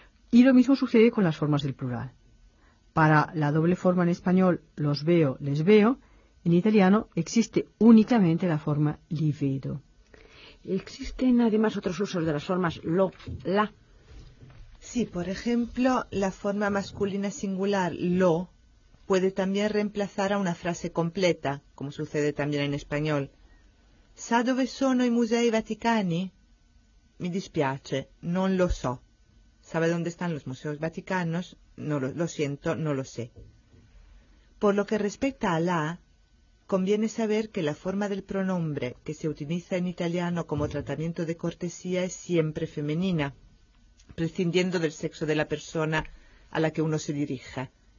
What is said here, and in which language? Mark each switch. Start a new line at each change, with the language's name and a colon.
Spanish: Y lo mismo sucede con las formas del plural. Para la doble forma en español los veo, les veo, en italiano existe únicamente la forma
Italian: li vedo.
Spanish: ¿Existen además otros usos de las formas lo, la? Sí, por ejemplo, la forma masculina singular lo puede también reemplazar a una frase completa, como sucede también en español.
Italian: ¿Sa dove sono i musei vaticani? Mi dispiace, non lo so.
Spanish: ¿Sabe dónde están los museos vaticanos? No lo, lo siento, no lo sé. Por lo que respecta a la, conviene saber que la forma del pronombre que se utiliza en italiano como tratamiento de cortesía es siempre femenina, prescindiendo del sexo de la persona a la que uno se dirija.